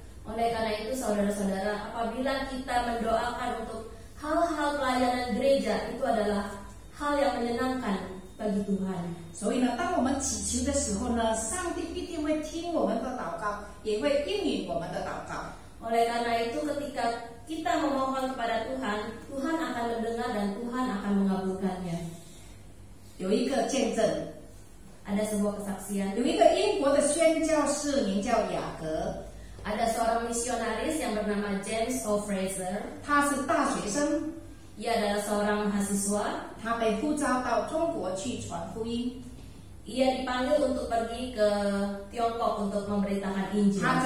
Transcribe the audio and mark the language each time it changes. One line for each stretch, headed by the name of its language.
Indonesian: Oleh karena itu, saudara-saudara, apabila kita mendoakan untuk hal-hal pelayanan gereja itu adalah hal yang menyenangkan bagi Tuhan.
Chinese: So,
Indonesian: ini, ketika kita berdoa,
Chinese: 上帝必定会听我们的祷告，也会应允我们的祷告.
Indonesian: Oleh karena itu, ketika kita memohon kepada Tuhan, Tuhan akan mendengar dan Tuhan akan mengabulkannya.
Chinese: 有一个见证,
Indonesian: ada sebuah kesaksian.
Chinese: 有一个英国的宣教士名叫雅各。
Indonesian: Ada seorang misionaris yang bernama James Hofreiser.
Chinese: 他是大学生.
Indonesian: Ia adalah seorang mahasiswa.
Chinese: 他被呼召到中国去传福音.
Indonesian: Ia dipanggil untuk pergi ke Tiongkok untuk memberitakan Injil.